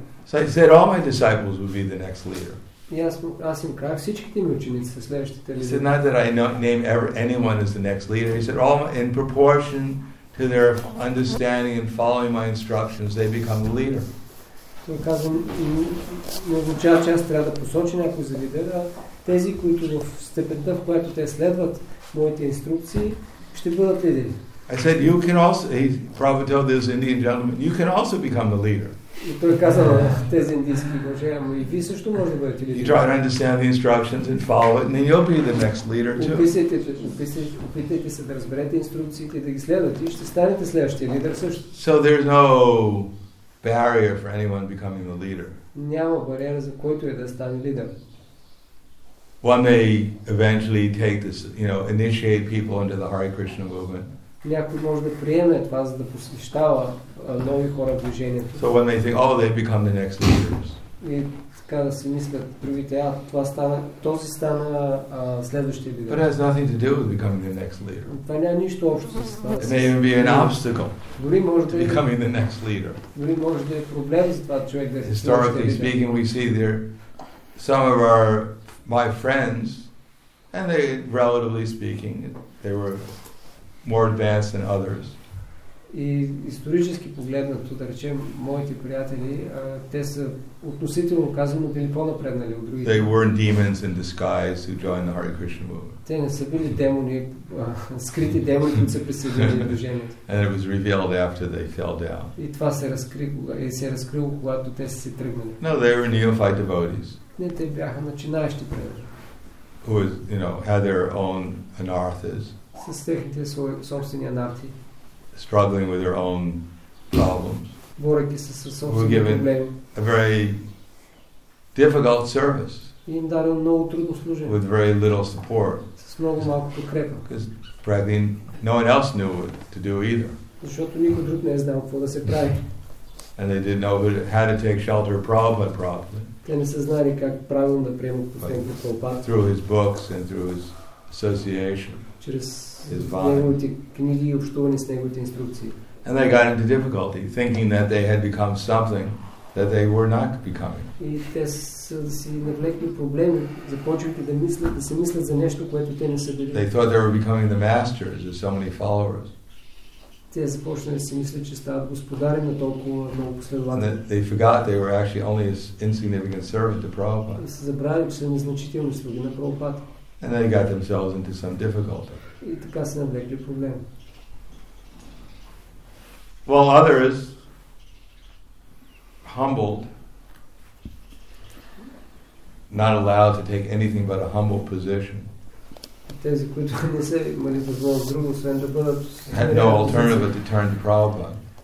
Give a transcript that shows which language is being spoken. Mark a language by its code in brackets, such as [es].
[en] So he said all my disciples would be the next leader. He said not that I name anyone as the next leader. He said all in proportion to their understanding and following my instructions, they become the leader. [bg] Той казва, не означава, че аз трябва да посоча някой за лидер, а тези, които в степента, в която те следват моите инструкции, ще бъдат лидери. [en] I said, you can also, Prabhupada told this Indian gentleman, you can also become the leader. [bg] И той казва, тези индийски мъже, ама и ви също може да бъдете лидери. [en] You try to understand the instructions and follow it, and then you'll be the next leader too. [bg] Опитайте се да разберете инструкциите, да ги следвате, и ще станете следващия лидер също. [en] So there's no barrier for anyone becoming a leader. [bg] Няма бариера за който е да стане лидер. [en] One may eventually take this, you know, initiate people into the Hare Krishna movement. [bg] Някой може да приеме това, за да посвещава нови хора в движението. [en] So when they think, oh, they become the next leaders. [bg] И така да си мислят другите, а това стана, този стана следващия лидер. [en] But it has nothing to do with becoming the next leader. [bg] Това няма нищо общо с това. [en] It may even be an obstacle to becoming the next leader. [bg] Дори може да е проблем за това човек да е. [en] Historically speaking, we see there some of my friends, and they, relatively speaking, they were more advanced than others. [bg] И исторически погледнато, да речем, моите приятели, те са относително казано били по-напреднали от другите. [en] They weren't demons in disguise who joined the Hare Krishna movement. [bg] Те не са били демони, скрити демони, които са присъединили движението. [en] And it was revealed after they fell down. [bg] И това се разкри, и се разкрило, когато те са се тръгнали. [en] No, they were neophyte devotees. [bg] Не, те бяха начинаещи приятели. [en] Who was, you know, had their own anarthas. [bg] С техните собствени анарти. [en] Struggling with their own problems. Who were given a very difficult service. [bg] им дарил много трудно служение. [en] With very little support. [bg] С много малко подкрепа. [en] Because probably no one else knew what to do either. [bg] Защото никой друг не е знал какво да се прави. [en] And they didn't know how to take shelter properly. [bg] Те не са знали как правилно да приемат последните толпа. [en] Through his books and through his association. [bg] Чрез неговите книги и общуване с неговите инструкции. [en] And they got into difficulty, thinking that they had become something that they were not becoming. [bg] И те си навлекли проблеми, започвайки да мислят, да се мислят за нещо, което те не са били. [en] They thought they were becoming the masters of so many followers. [bg] Те започнали да си мислят, че стават господари на толкова много последователи. [en] And they forgot they were actually only an insignificant servant to Prabhupada. [bg] И се забравили, че са незначителни слуги на Прабхупада. [en] And they got themselves into some difficulty. [bg] И така се навлекли проблеми. [en] While others humbled, not allowed to take anything but a humble position, had no alternative but to turn to Prabhupada.